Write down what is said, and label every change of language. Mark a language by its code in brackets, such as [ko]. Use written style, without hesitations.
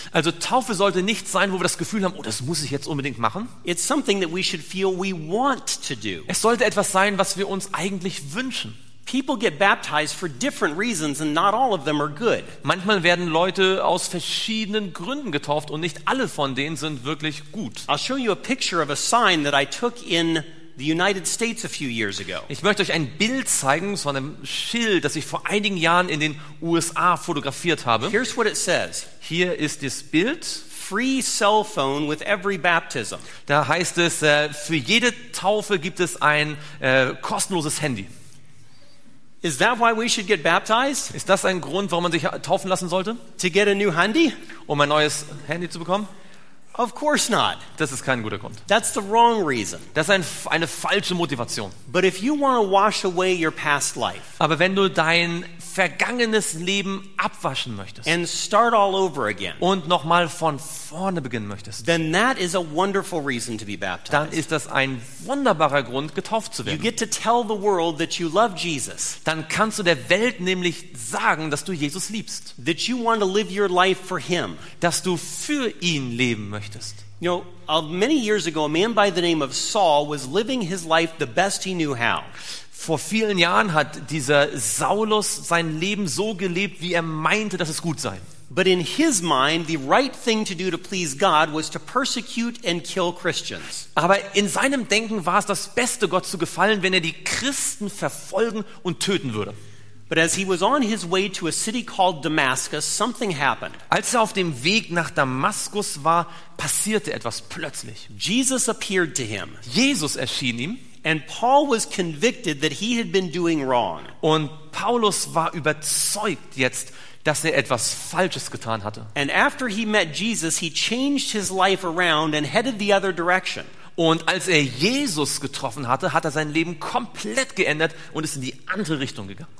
[de] Also Taufe sollte nicht sein, wo wir das Gefühl haben, oh, das muss ich jetzt unbedingt machen. [en] It's something that we should feel we want to do. [de] Es sollte etwas sein, was wir uns eigentlich wünschen. [en] People get baptized for different reasons and not all of them are good. [de] Manchmal werden Leute aus verschiedenen Gründen getauft und nicht alle von denen sind wirklich gut. [en] I'll show you a picture of a sign that I took in the United States a few years ago. [de] Ich möchte euch ein Bild zeigen von einem Schild, das ich vor einigen Jahren in den USA fotografiert habe. [en] Here's what it says. [de] Hier ist das Bild. [en] Free cell phone with every baptism. [de] Da heißt es, für jede Taufe gibt es ein kostenloses Handy. [en] Is that why we should get baptized? [de] Ist das ein Grund, warum man sich taufen lassen sollte? [en] To get a new handy? [de] Um ein neues Handy zu bekommen? [en] Of course not. [de] Das ist kein guter Grund. [en] That's the wrong reason. [de] Das ist eine falsche Motivation. [en] But if you want to wash away your past life. [de] Aber wenn du dein vergangenes Leben abwaschen möchtest. [en] And start all over again. [de] Und noch mal von vorne beginnen möchtest. [en] Then that is a wonderful reason to be baptized. [de] Dann ist das ein wunderbarer Grund, getauft zu werden. [en] You get to tell the world that you love Jesus. [de] Dann kannst du der Welt nämlich sagen, dass du Jesus liebst. [en] That you want to live your life for him. [de] Dass du für ihn leben möchtest. [en] You know, many years ago, a man by the name of Saul was living his life the best he knew how. [de] Vor vielen Jahren hat dieser Saulus sein Leben so gelebt, wie er meinte, dass es gut sei. [en] But in his mind, the right thing to do to please God was to persecute and kill Christians. [de] Aber in seinem Denken war es das Beste, Gott zu gefallen, wenn er die Christen verfolgen und töten würde. [en] But as he was on his way to a city called Damascus, something happened. [de] Als er auf dem Weg nach Damaskus war, passierte etwas plötzlich. [en] Jesus appeared to him. [de] Jesus erschien ihm. [en] And Paul was convicted that he had been doing wrong. [de] Und Paulus war überzeugt jetzt, dass er etwas Falsches getan hatte. [en] And after he met Jesus, he changed his life around and headed the other direction. [de] Und als er Jesus getroffen hatte, hat er sein Leben komplett geändert und ist in die andere Richtung gegangen.